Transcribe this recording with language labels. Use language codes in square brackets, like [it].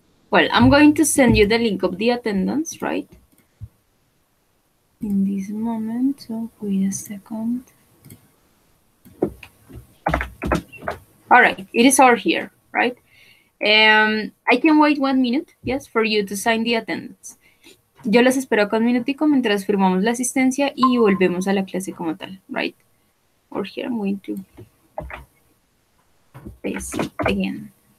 [en] Well, I'm going to send you the link of the attendance, right? In this moment, so wait a second. All right, it is all here, right? I can wait 1 minute, yes, for you to sign the attendance. [es] Yo las espero con un minutico mientras firmamos la asistencia y volvemos a la clase como tal, [en] right? Or here I'm going to paste it again.